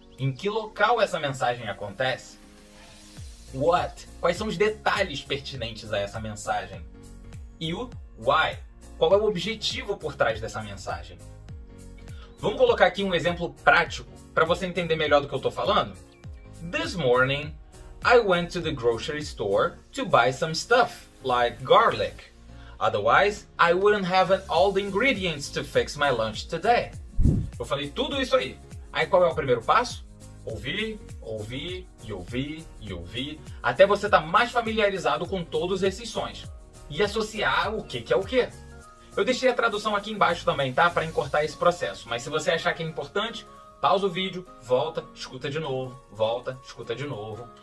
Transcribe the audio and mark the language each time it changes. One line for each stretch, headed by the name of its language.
Portuguese: Em que local essa mensagem acontece? What? Quais são os detalhes pertinentes a essa mensagem? E o why? Qual é o objetivo por trás dessa mensagem? Vamos colocar aqui um exemplo prático para você entender melhor do que eu estou falando?
English: This morning, I went to the grocery store to buy some stuff, like garlic. Otherwise, I wouldn't have all the ingredients to fix my lunch today.
Portuguese: Eu falei tudo isso aí. Aí qual é o primeiro passo? Ouvir, ouvir e ouvir e ouvir, até você estar mais familiarizado com todos esses sons e associar o que é o que. Eu deixei a tradução aqui embaixo também, tá? Para encurtar esse processo. Mas se você achar que é importante, pausa o vídeo, volta, escuta de novo, volta, escuta de novo.